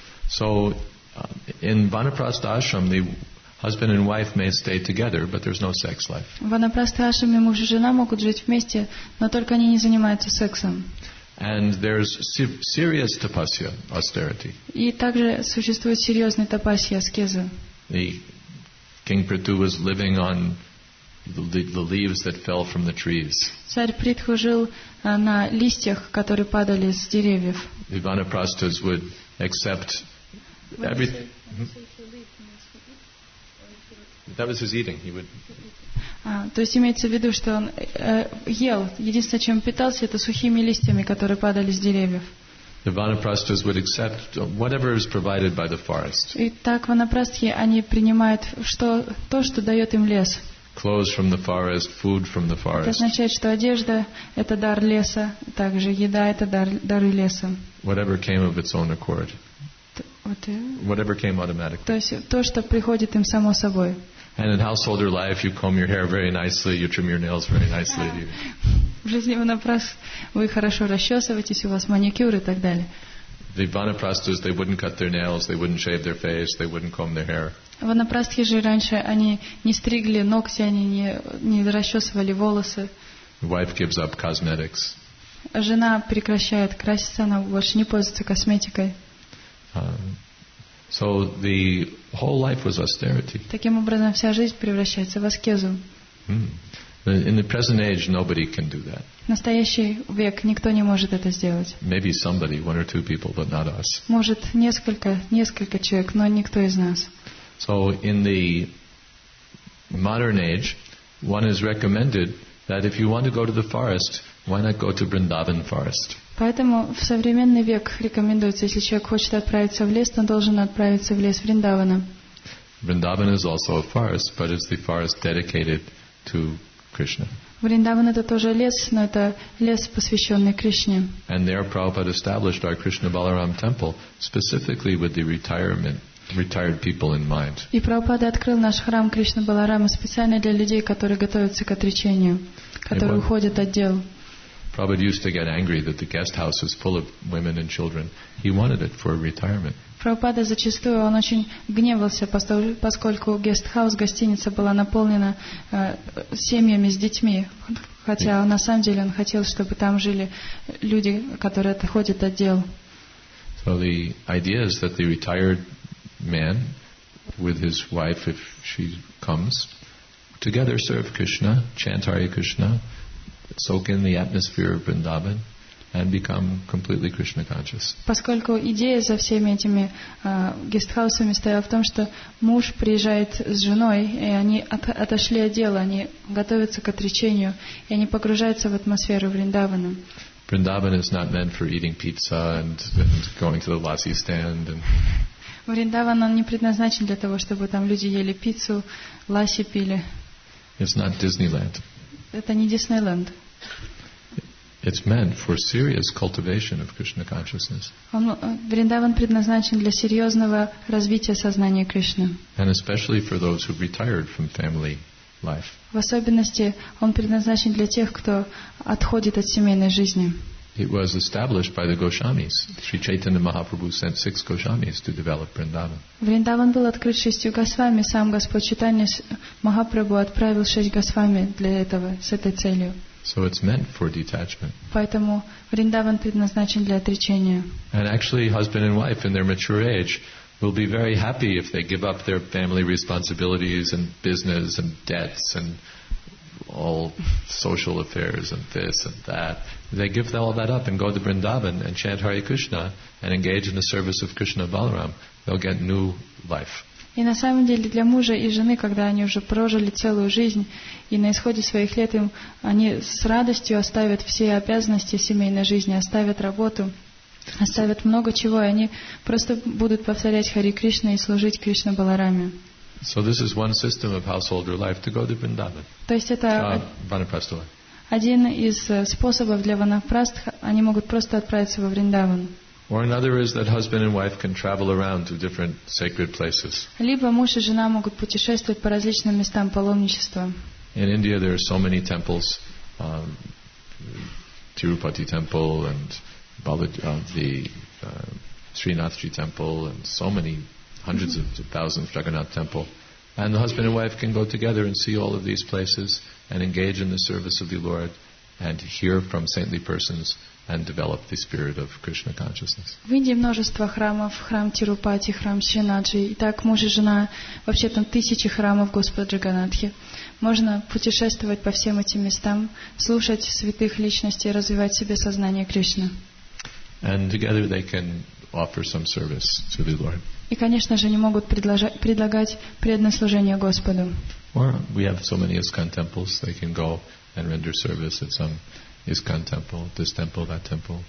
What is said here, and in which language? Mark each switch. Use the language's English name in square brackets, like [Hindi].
[English] So, in vanaprastha ashram, the husband and wife may stay together, but there's no sex life. [Russian] В ванапрастха ашраме муж и жена могут жить вместе, но только они не занимаются сексом. [English] And there's serious tapasya, austerity. [Russian] И также существует серьезный тапасья, аскеза. [English] The King Prithu was living on the leaves that fell from the trees. [Russian] Царь Притху жил на листьях, которые падали с деревьев. [English] The vanaprasthas would accept everything. That was his eating. He would. [Russian] То есть имеется в виду, что он ел. Единственное, чем питался, это сухими листьями, которые падали с деревьев. [English] The vanaprasthas would accept whatever is provided by the forest. [Russian] И так ванапрастхи они принимают то, что дает им лес. [English] Clothes from the forest, food from the forest. [Russian] Это означает, что одежда — это дар леса, также еда — это дары леса. [English] Whatever came of its own accord. Whatever came automatically. [Russian] То есть то, что приходит им само собой. [English] And in householder life, you comb your hair very nicely, you trim your nails very nicely. [Russian] В жизни ванапрастх вы хорошо расчесываетесь, у вас маникюр и так далее. [English] The vanaprasthas, they wouldn't cut their nails, they wouldn't shave their face, they wouldn't comb their hair. [Russian] Ванапрастхи же раньше они не стригли ногти, они не расчесывали волосы. [English] Wife gives up cosmetics. [Russian] Жена прекращает краситься, она больше не пользуется косметикой. [English] So the whole life was austerity. [Russian] Таким образом, вся жизнь превращается в аскезу. [English] In the present age, nobody can do that. [Russian] В настоящий век никто не может это сделать. [English] Maybe somebody, one or two people, but not us. [Russian] Может несколько человек, но никто из нас. [English] So in the modern age, one is recommended that if you want to go to the forest, why not go to Vrindavan forest? [Russian] Поэтому в современный век рекомендуется, если человек хочет отправиться в лес, он должен отправиться в лес Вриндавана. [English] Vrindavan is also a forest, but it's the forest dedicated to Krishna. [Russian] Вриндаван это тоже лес, но это лес, посвященный Кришне. [English] And there Prabhupada established our Krishna Balaram temple specifically with the retired people in mind. [Russian] И Прабхупада открыл наш храм Кришна Баларама специально для людей, которые готовятся к отречению, которые уходят от дел. [English] Prabhupada used to get angry that the guest house was full of women and children. He wanted it for retirement. [Russian] Прабхупада зачастую он очень гневался, поскольку гестхаус, гостиница была наполнена семьями с детьми. Хотя на самом деле он хотел, чтобы там жили люди, которые отходят от дел. [English] So the idea is that the retired man with his wife, if she comes, together serve Krishna, chant Hare Krishna, soak in the atmosphere of Vrindavan and become completely Krishna conscious. [Russian] Поскольку идея за всеми этими гестхаусами стояла в том, что муж приезжает с женой, и они отошли от дела, они готовятся к отречению, и они погружаются в атмосферу Вриндавана. [English] Vrindavan is not meant for eating pizza and going to the lassi stand. [Russian] Вриндаван он не предназначен для того, чтобы там люди ели пиццу, ласи пили. [English] It's not Disneyland. [Russian] Это не Диснейленд. [English] It's meant for serious cultivation of Krishna consciousness. [Russian] Вриндаван предназначен для серьезного развития сознания Кришны. [English] And especially for those who retired from family life. [Russian] В особенности он предназначен для тех, кто отходит от семейной жизни. [English] It was established by the Goshamis. Sri Chaitanya Mahaprabhu sent 6 Goshamis to develop Vrindavan. [Russian] Vrindavan был открыт 6 Госвами. Сам Господь Чайтанья Махапрабху отправил 6 Госвами для этого, с этой целью. [English] So it's meant for detachment. [Russian] Поэтому Вриндаван предназначен для отречения. [English] And actually, husband and wife in their mature age will be very happy if they give up their family responsibilities and business and debts and all social affairs and this and that. They give all that up and go to Vrindavan and chant Hare Krishna and engage in the service of Krishna Balaram. They'll get new life. [Russian] И на самом деле для мужа и жены, когда они уже прожили целую жизнь и на исходе своих лет, им они с радостью оставят все обязанности семейной жизни, оставят работу, оставят много чего, и они просто будут повторять Хари Кришна и служить Кришна Балараме. [English] So this is one system of householder life, to go to Vrindavan. [Russian] То есть это один из способов для ванапрастх, они могут просто отправиться во Вриндаван. [English] Or another is that husband and wife can travel around to different sacred places. [Russian] Либо муж и жена могут путешествовать по различным местам паломничества. [English] In India there are so many temples, Tirupati temple and Srinathji temple and so many hundreds of thousands of Jagannath temple. And the husband and wife can go together and see all of these places and engage in the service of the Lord and hear from saintly persons and develop the spirit of Krishna consciousness. [Russian] В Индии множество храмов, храм Тирупати, храм Шринаджи, и так муж и жена, вообще там тысячи храмов Господа Джаганатхи. Можно путешествовать по всем этим местам, слушать святых личностей, развивать в себе сознание Кришны. [English] And together they can offer some service to the Lord. [Russian] И, конечно же, они могут предлагать преданное служение Господу. [English] Or we have so many ISKCON temples, they can go and render service at some ISKCON temple, this temple, that temple.